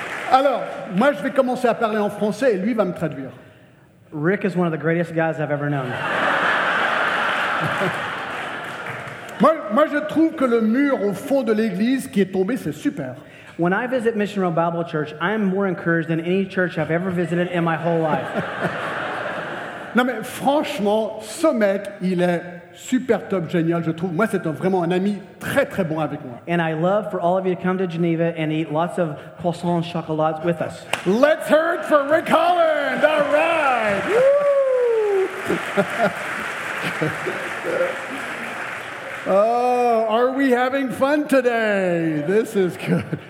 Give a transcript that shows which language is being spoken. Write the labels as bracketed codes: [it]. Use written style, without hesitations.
[fr] Alors, moi je vais commencer à parler en français et lui va me traduire. [en] Rick is one of the greatest guys I've ever known. [fr] Moi je trouve que le mur au fond de l'église qui est tombé, c'est super. [en] When I visit Mission Road Bible Church, I am more encouraged than any church I've ever visited in my whole life. [fr] Non mais franchement, ce mec, il est super top, génial, je trouve. Moi, c'est vraiment un ami très, très bon avec moi. [en] And I love for all of you to come to Geneva and eat lots of croissants and chocolates with us. Let's hear it for Rick Holland! All right! Woo! Oh, are we having fun today? This is good.